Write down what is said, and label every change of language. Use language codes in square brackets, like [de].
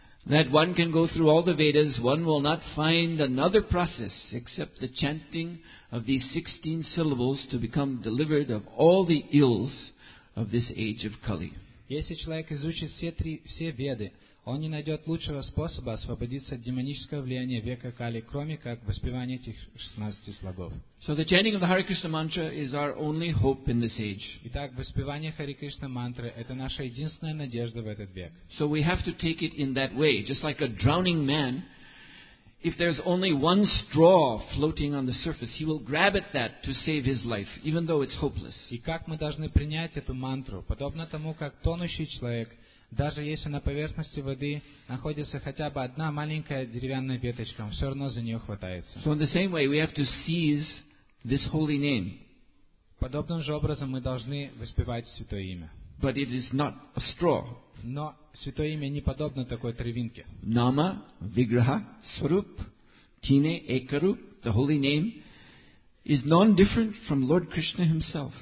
[en] That one can go through all the Vedas, one will not find another process except the chanting of these 16 syllables to become delivered of all the ills of this age of Kali. [ru] Если человек изучит все веды, он не найдет лучшего способа освободиться от демонического влияния века Кали, кроме как воспевания этих 16 слогов. [en] So the chanting of the Hare Krishna mantra is our only hope in this age. [ru] Итак, воспевание Хари Кришна мантры это наша единственная надежда в этот век. [en] So we have to take it in that way, just like a drowning man. If there's only one straw floating on the surface, he will grab at that to save his life, even though it's hopeless. [ru] И как мы должны принять эту мантру, подобно тому, как тонущий человек, даже если на поверхности воды находится хотя бы одна маленькая деревянная веточка, он все равно за нее хватается. [en] So in the same way, we have to seize this holy name. [ru] Подобным же образом мы должны воспевать святое имя. [en] But it is not a straw. [ru] Но святое имя не подобно такой травинке. [bn] Нама, виграха, сваруп, тине, экаруп, [en] the holy name, is non-different from Lord Krishna himself.